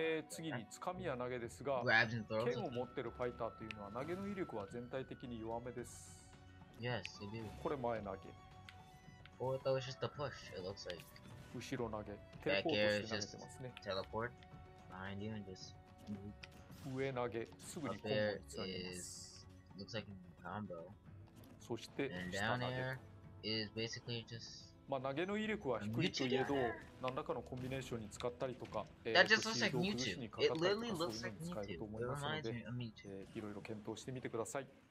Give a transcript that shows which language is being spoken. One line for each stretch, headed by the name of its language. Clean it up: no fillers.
Japanese: 次に掴みや投げですが、剣を持ってるファイターというのは投げの威力は全体的に弱めです。これ前投げ、
English: or that was just a push, it looks like.
Japanese: 後ろ投げ、テレポートして投げてますね。
English: back air is just teleport behind you and just move.
Japanese: 上投げ、すぐにコンボにつなげます。
English: looks like a combo.
Japanese: そして
English: 下投げ、and down air is basically just
Japanese: まあ投げの威力は低いといえど、何らかのコンビネーションに使ったりとか、シードを崩しにかかったりとか、そういうのに使えると思いますので、いろいろ検討してみてください。